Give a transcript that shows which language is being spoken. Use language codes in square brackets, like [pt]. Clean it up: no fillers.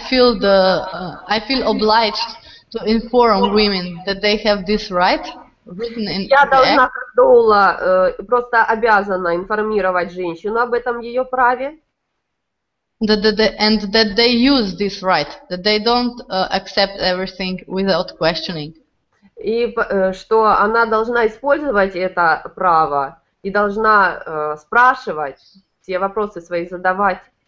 [en] I feel obliged to inform women that they have this right written in. [ru] Я должна как доула просто обязана информировать женщину об этом ее праве. [en] And that they use this right, that they don't accept everything without questioning. [ru] И что она должна использовать это право и должна спрашивать, все вопросы свои задавать.